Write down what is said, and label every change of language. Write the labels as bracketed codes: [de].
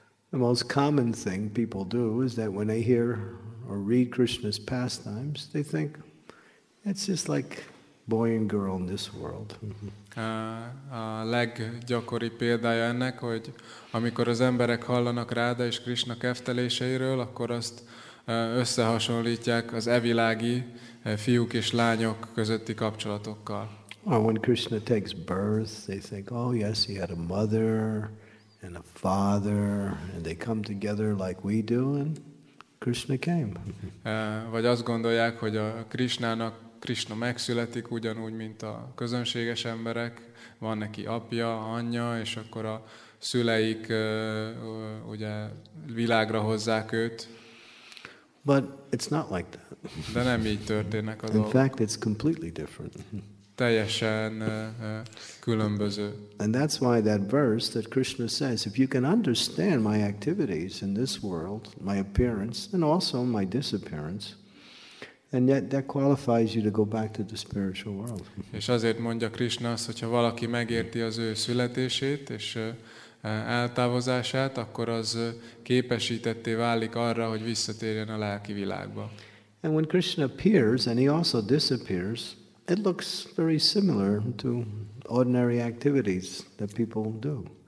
[en] The most common thing people do is that when they hear or read Krishna's pastimes, they think it's just like boy and girl in this world. [hu] A leggyakoribb példája ennek, hogy amikor az emberek hallanak Ráda és Krishna kefteléseiről, akkor azt összehasonlítják az evilági fiúk és lányok közötti kapcsolatokkal. [en] Or when Krishna takes birth, they think, oh yes, he had a mother and a father, and they come together like we do, and Krishna came. [hu] Vagy azt gondolják, hogy a Krishnának Krishna megszületik ugyanúgy, mint a közönséges emberek, van neki apja, anyja, és akkor a szüleik ugye világra hozzák őt. [en] But it's not like that. [hu] De nem így történnek a [en] In [hu] dolgok. [en] In fact, it's completely different. [hu] Teljesen különböző. [en] And that's why that verse that Krishna says, if you can understand my activities in this world, my appearance, and also my disappearance, and yet that qualifies you to go back to the spiritual world. [hu] És azért mondja Krishna, hogyha valaki megérti az ő születését és eltávozását, akkor az képesítetté válik arra, hogy visszatérjen a lelki világba. [en] And when Krishna appears and he also disappears, it looks very similar to ordinary activities that people do.